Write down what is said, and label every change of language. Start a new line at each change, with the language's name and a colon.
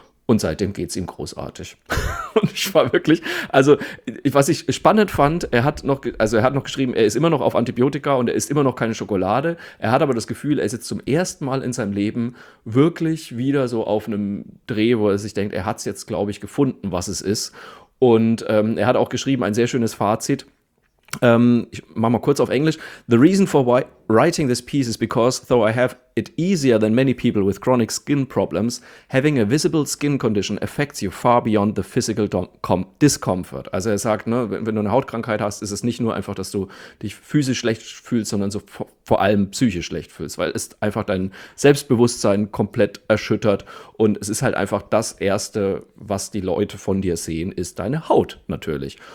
German: Und seitdem geht's ihm großartig. Und ich war wirklich, also was ich spannend fand, er hat noch geschrieben, er ist immer noch auf Antibiotika und er isst immer noch keine Schokolade. Er hat aber das Gefühl, er ist jetzt zum ersten Mal in seinem Leben wirklich wieder so auf einem Dreh, wo er sich denkt, er hat's jetzt, glaube ich, gefunden, was es ist. Und er hat auch geschrieben, ein sehr schönes Fazit. Ich mach mal kurz auf Englisch.
English: The reason for why writing this piece is because, though I have it easier than many people with chronic skin problems, having a visible skin condition affects you far beyond the physical discomfort.
German: Also er sagt, ne, wenn du eine Hautkrankheit hast, ist es nicht nur einfach, dass du dich physisch schlecht fühlst, sondern so vor allem psychisch schlecht fühlst, weil es einfach dein Selbstbewusstsein komplett erschüttert und es ist halt einfach das Erste, was die Leute von dir sehen, ist deine Haut natürlich.